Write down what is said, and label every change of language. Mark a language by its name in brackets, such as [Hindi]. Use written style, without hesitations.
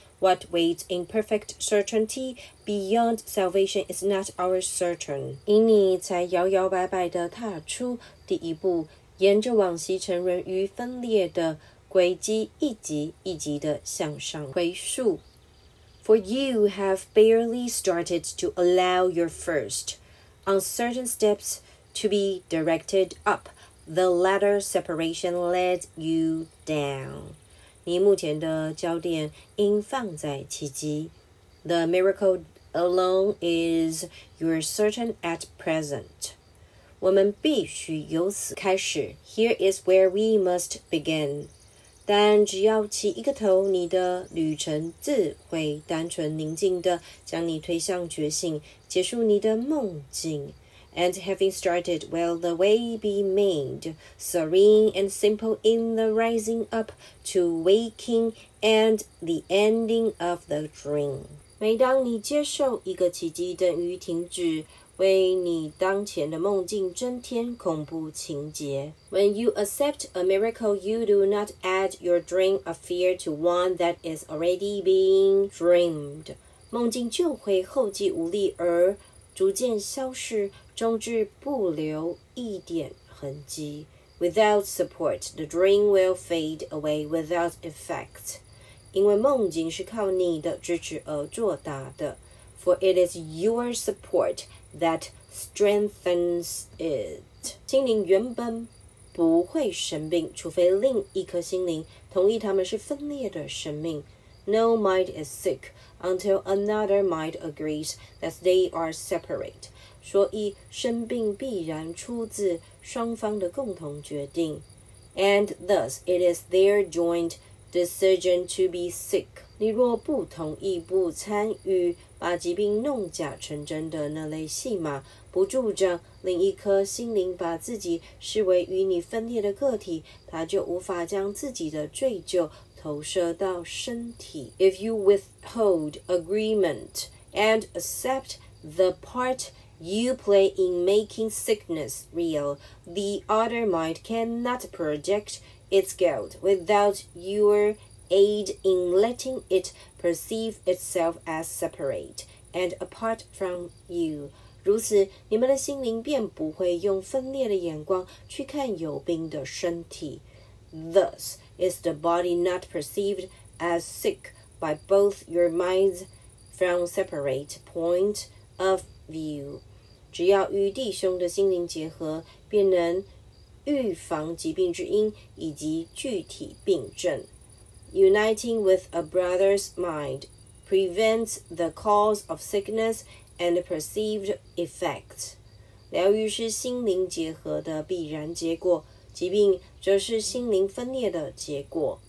[English] What waits in perfect certainty beyond salvation is not our certain。 [Chinese] 因你才摇摇摆摆地踏出第一步，沿着往昔成人于分裂的轨迹，一级一级地向上回溯。 [English] For you have barely started to allow your first uncertain steps to be directed up. The latter separation led you down. [Chinese] 你目前的焦点应放在奇迹。 [English] The miracle alone is your certain at present. [Chinese] 我们必须由此开始。 [English] Here is where we must begin. [Chinese] 但只要起一个头，你的旅程自会单纯宁静地将你推向觉醒，结束你的梦境。 [English] And having started, will the way be made serene and simple in the rising up to waking and the ending of the dream? [Chinese] 每当你接受一个奇迹，等于停止为你当前的梦境增添恐怖情节。 [English] When you accept a miracle, you do not add your dream of fear to one that is already being dreamed. [Chinese] 梦境就会后继无力而逐渐消失，终至不留一点痕迹。 [English] Without support, the dream will fade away without effect. [Chinese] 因为梦境是靠你的支持而作答的。 [English] For it is your support that strengthens it. [Chinese] 心灵原本不会生病，除非另一颗心灵同意它们是分裂的生命。 [English] No mind is sick until another mind agrees that they are separate. [Chinese] 所以生病必然出自双方的共同决定。 [English] And thus, it is their joint decision to be sick. [Chinese] 你若不同意，不参与把疾病弄假成真的那类戏码，不助长另一颗心灵把自己视为与你分裂的个体，他就无法将自己的罪疚投射到身体。 [English] If you withhold agreement and accept the part you play in making sickness real, the other mind cannot project its guilt without your aid in letting it perceive itself as separate and apart from you. [Chinese] 如此，你们的心灵便不会用分裂的眼光去看有病的身体。 [English] Thus is the body not perceived as sick by both your minds from separate point of view. [Chinese] 只要与弟兄的心灵结合，便能预防疾病之因以及具体病症。 [English] Uniting with a brother's mind prevents the cause of sickness and perceived effects. [Chinese] 疗愈是心灵结合的必然结果，疾病则是心灵分裂的结果。